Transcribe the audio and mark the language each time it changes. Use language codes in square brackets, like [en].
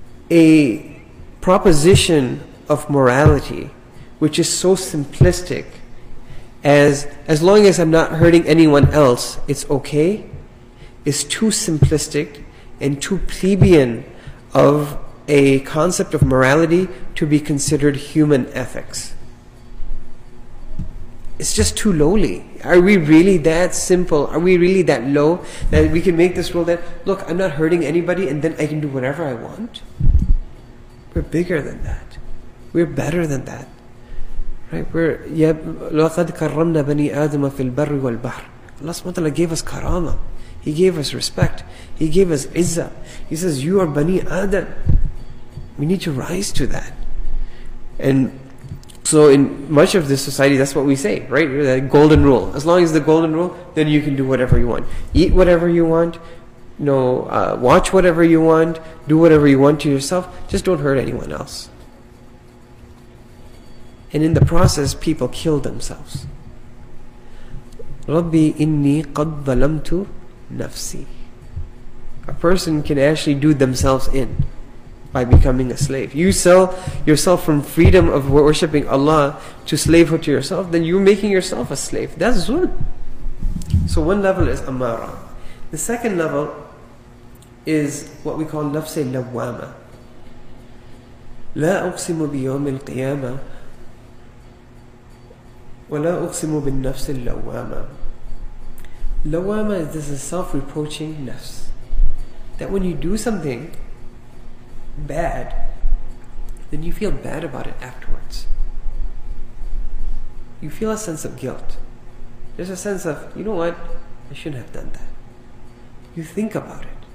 [en] A proposition of morality which is so simplistic as long as I'm not hurting anyone else, it's okay, is too simplistic and too plebeian of a concept of morality to be considered human ethics. It's just too lowly. Are we really that simple? Are we really that low that we can make this rule that, look, I'm not hurting anybody and then I can do whatever I want? We're bigger than that. We're better than that. Right, [ar] لَقَدْ كَرَّمْنَا بَنِي آدَمَ فِي الْبَرِّ وَالْبَحْرِ. [en] Allah subhanahu wa ta'ala gave us karama. He gave us respect. He gave us izzah. He says, you are Bani Adam. We need to rise to that. And so in much of this society, that's what we say, right? That golden rule. As long as the golden rule, then you can do whatever you want. Eat whatever you want. Watch whatever you want. Do whatever you want to yourself. Just don't hurt anyone else. And in the process, people kill themselves. [ar] Rabbi inni qad zalamtu nafsi. [en] A person can actually do themselves in by becoming a slave. You sell yourself from freedom of worshipping Allah to slavehood to yourself, then you're making yourself a slave. That's zulm. So one level is amara. The second level is what we call nafs al-lawwama. [ar] لا أقسم بيوم القيامة ولا أقسم بالنفس اللوامة. [en] Lawwama is this self-reproaching nafs. That when you do something bad, then you feel bad about it afterwards. You feel a sense of guilt. There's a sense of, you know what, I shouldn't have done that. You think about it.